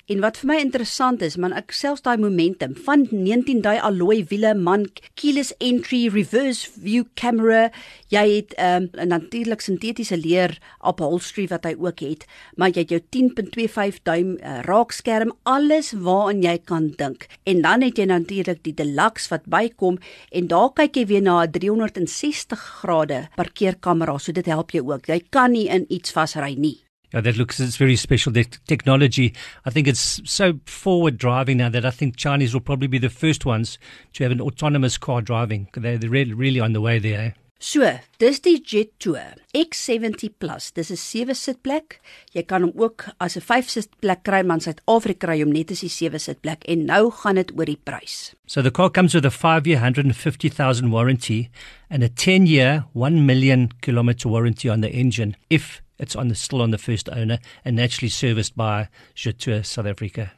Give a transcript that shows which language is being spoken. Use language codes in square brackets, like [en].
[af] En wat vir my interessant is, man, ek selfs daai momentum van 19 daai alloy wiele, man, keyless entry, reverse view camera, jy het natuurlik sintetiese leer upholstery wat hy ook het, maar jy het jou 10.25 duim raakskerm, alles waaraan jy kan dink. En dan het jy natuurlik die deluxe wat bykom en daar kyk jy weer na 360 grade parkeerkamera, so dit help jou ook. Jy kan nie in iets vasry nie. [en] Yeah, that looks, it's very special. The technology, I think it's so forward driving now that I think Chinese will probably be the first ones to have an autonomous car driving. They're really on the way there. [af] So, dis die Jet Tour X70 Plus. Dis 'n 7 sitplek. Jy kan hom ook as 'n 5 sitplek kry, maar in Suid-Afrika kry hom net as 'n 7 sitplek en nou gaan dit oor die prys. [en] So the car comes with a 5-year 150,000 warranty and a 10-year 1 million kilometer warranty on the engine if it's on the still on the first owner and naturally serviced by Jet Tour South Africa.